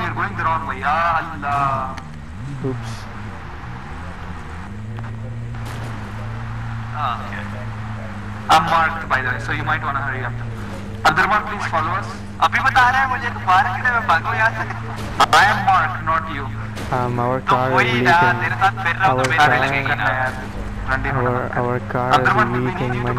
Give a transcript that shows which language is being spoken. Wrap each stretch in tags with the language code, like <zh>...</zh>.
<en>You're going the wrong way. Ya Allah. Oops. Okay. I'm marked by the way, so you might wanna hurry up. Other one, please follow us.</en> <hi>अभी बता रहे हैं मुझे कि बाहर के लिए मैं भागो यहाँ से.</hi> <en>I am Mark, not you. Our car is leaking. Our car is leaking money.</en>